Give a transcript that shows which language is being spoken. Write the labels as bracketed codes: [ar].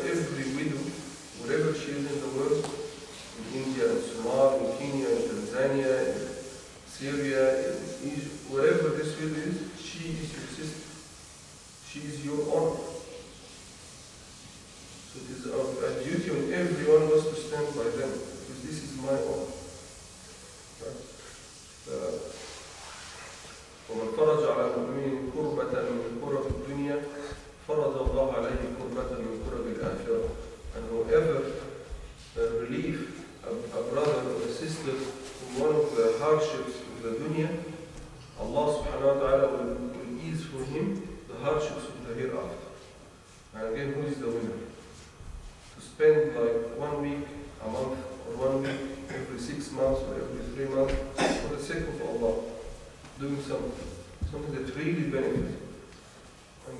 [en] Every widow, wherever she is in the world, in India, in Somalia, in Kenya, in Tanzania, in Syria, in Egypt, wherever this widow is, she is your sister. She is your honor. So it is a duty on everyone of us to stand by them, because this is my honor. [ar] ومن فرج على المؤمن كربة من كرب الدنيا فرض الله عليه كربة من كرب الآخرة. [en] And whoever relief a brother or a sister from one of the hardships of the dunya, Allah subhanahu wa ta'ala will ease for him the hardships of the hereafter. And again, who is the winner? To spend like 1 week, a month, or 1 week, every 6 months, or every 3 months, for the sake of Allah, doing something that really benefits. And